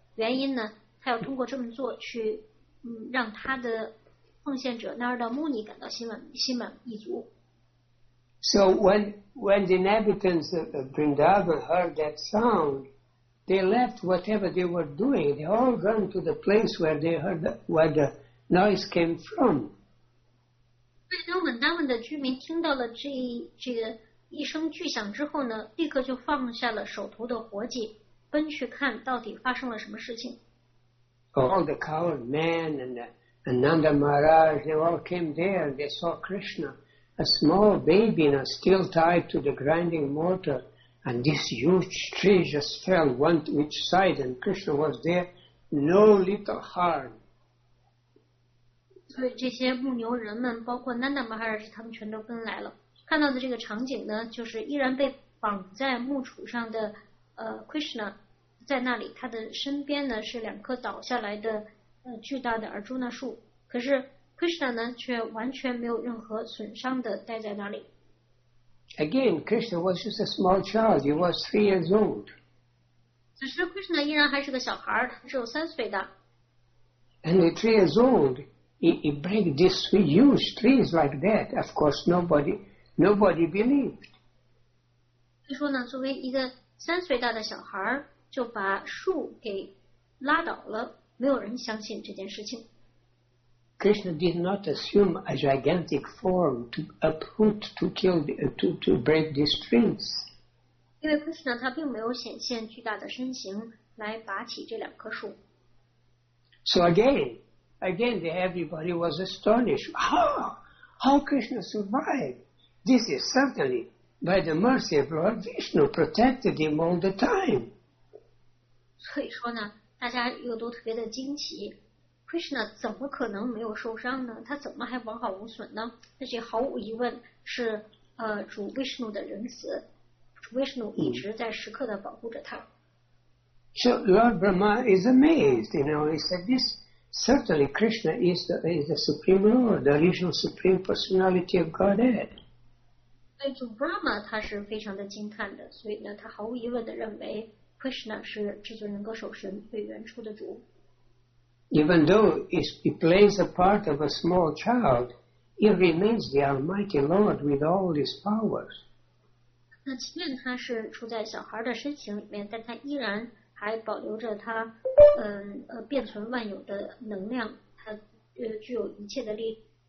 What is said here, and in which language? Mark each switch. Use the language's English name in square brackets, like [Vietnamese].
[Chinese] 原因呢，他要通过这么做去让他的奉献者 Narada Muni 感到心满意足。 [English] So when the inhabitants of Vrindavan heard that sound, they left whatever they were doing. They all ran to the place where they heard where the noise came from. [Chinese] 当文达文的居民听到了这个一声巨响之后呢，立刻就放下了手头的活计，奔去看到底发生了什么事情。 [English] All the cowherd men and Ananda Maharaj, they all came there. They saw Krishna, a small baby, and still tied to the grinding mortar. And this huge tree just fell one to each side, and Krishna was there, no little harm. [Chinese] 所以这些牧牛人们，包括 Ananda Maharaj, 他们全都跟来了。看到的这个场景呢，就是依然被绑在木杵上的Krishna 在那里，他的身边呢是两棵倒下来的巨大的Arjuna树，可是 Krishna 呢却完全没有任何损伤的待在那里。 [English] Again, Krishna was just a small child. He was 3 years old. [Chinese] 此时 Krishna 依然还是个小孩，他只有三岁的。 [English] And at 3 years old, he break this huge trees like that. Of course, nobody believed. [Chinese] 所以说呢，作为一个三岁大的小孩就把树给拉倒了，没有人相信这件事情。 [English] Krishna did not assume a gigantic form to uproot to break these trees. [Chinese] 因为 Krishna 他并没有显现巨大的身形来拔起这两棵树。 [English] So again, everybody was astonished. How Krishna survived? This is certainly by the mercy of Lord Vishnu protected him all the time. [Chinese] 所以说呢，大家又都特别的惊奇。 Krishna 怎么可能没有受伤呢？他怎么还完好无损呢？那些毫无疑问是主 Vishnu 的仁慈，主 Vishnu 一直在时刻的保护着他。 [English] So Lord Brahma is amazed, you know. He said, "This certainly Krishna is the supreme Lord, the original supreme personality of Godhead." [Chinese] 所以主 Brahma 他是非常的惊叹的，所以呢，他毫无疑问的认为 Krishna 是至尊人格首神，最原初的主。 [English] Even though he plays a part of a small child, he remains the Almighty Lord with all his powers. [Chinese] 那即便他是处在小孩的身形里面，但他依然还保留着他变存万有的能量，他具有一切的力。